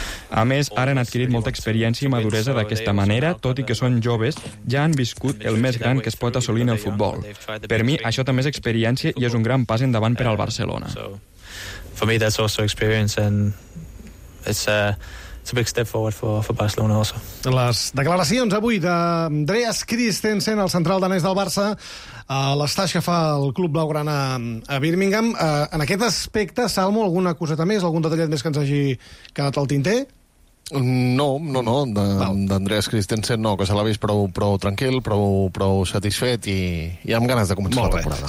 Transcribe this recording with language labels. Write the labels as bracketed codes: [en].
[ca] A més, ara han adquirit molta experiència i maduresa d'aquesta manera, tot i que són joves, ja han viscut el més gran que es pot assolir en el futbol. Per mi, això també és experiència i és un gran pas endavant per al Barcelona. [en] For me, that's also experience, and it's a big step forward for Barcelona also. [ca] Les declaracions avui d'Andreas Christensen, el central danès del Barça, a l'estatge que fa el club blaugrana a Birmingham. En aquest aspecte, Salmo, alguna coseta més, algun detallet més que ens hagi quedat al tinter? No, d'Andreas Christensen no, que se l'ha vist prou tranquil, prou satisfet i amb ganes de començar la temporada.